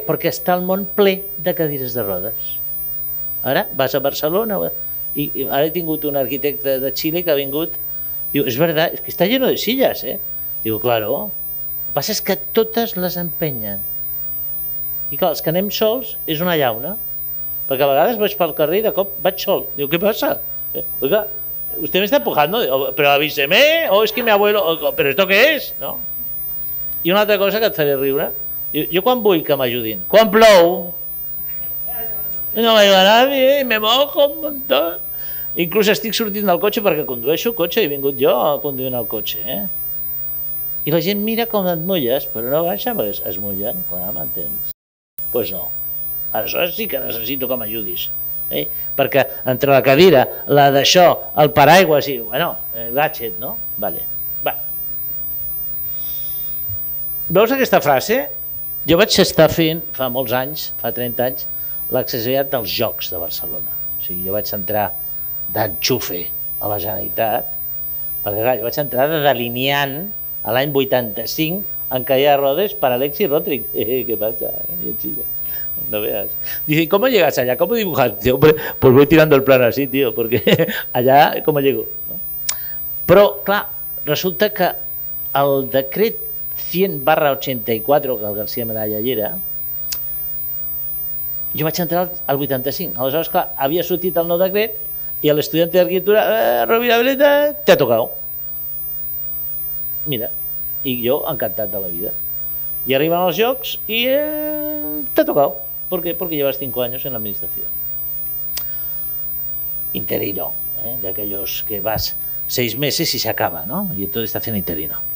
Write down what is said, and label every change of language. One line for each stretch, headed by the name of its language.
Catalan: Perquè està el món ple de cadires de rodes. Ara vas a Barcelona i ara he tingut un arquitecte de Xile que ha vingut. Diu, és veritat, és que està lleno de silles, eh? Diu, claro. El que passa és que totes les empenyen. I clar, els que anem sols és una llauna. Perquè a vegades vaig pel carrer i de cop vaig sol. Diu, què passa?
Spanish: Oiga, usted me está empujando. Pero avíseme, o es que mi abuelo... Pero esto qué es? No?
Catalan: I una altra cosa que et faré riure, jo quan vull que m'ajudin? Quan plou! I no m'agrada a mi, i
Spanish: me mojo un montón.
Catalan: Inclús estic sortint del cotxe perquè condueixo el cotxe, i he vingut jo a conduir el cotxe. I la gent mira com et mulles, però no baixa perquè es mullen, quan ara m'entens. Pues no. Aleshores sí que necessito que m'ajudis. Perquè entre la cadira, la d'això, el paraigua, sí, bueno, gadget, no? Vale. Va. Veus aquesta frase? Jo vaig estar fent, fa molts anys, fa 30 anys, l'accessibilitat dels Jocs de Barcelona. O sigui, jo vaig entrar d'enxufe a la Generalitat, perquè clar, jo vaig entrar de delineant l'any 85 en caia de rodes per Alexis Rodríguez. Què passa?
Spanish: No veas. Dice, ¿cómo llegas allá? ¿Cómo dibujas? Tío, pues voy tirando el plano así, tío, porque allá, ¿cómo llego?
Catalan: ¿No? Però, clar, resulta que el decret 100/84, que el García Maragall hi era, jo vaig entrar al 85. Aleshores, clar, havia sortit el nou decret i a l'estudiant d'arquitectura, Rovira Beleta, t'ha tocat. Mira, i jo encantat de la vida. I arriben els Jocs i t'ha tocat.
Spanish: ¿Por qué? Porque llevas 5 años en la administración. Interino, ¿eh? De aquellos que vas 6 meses y se acaba, ¿no? Y entonces está haciendo interino.